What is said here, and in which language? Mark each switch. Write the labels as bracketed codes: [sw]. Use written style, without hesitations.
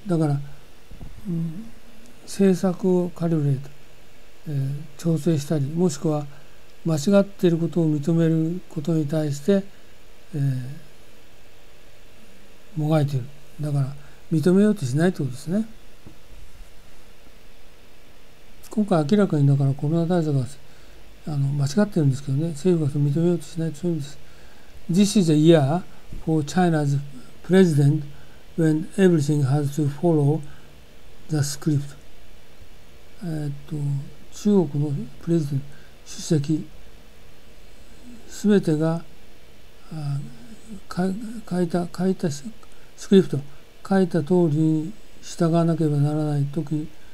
[ja] だから、政策をカリブレート、調整したり、もしくは間違っていることを認めることに対して、もがいている。だから認めようとしないということですね。今回明らかに、だからコロナ対策が間違ってるんですけどね、政府が認めようとしないというんです。 [en] This is a year for China's president when everything has to follow the script. [ja] 中国のプレゼント、主席、すべてが書いたスクリプト、書いた通りに従わなければならないとき、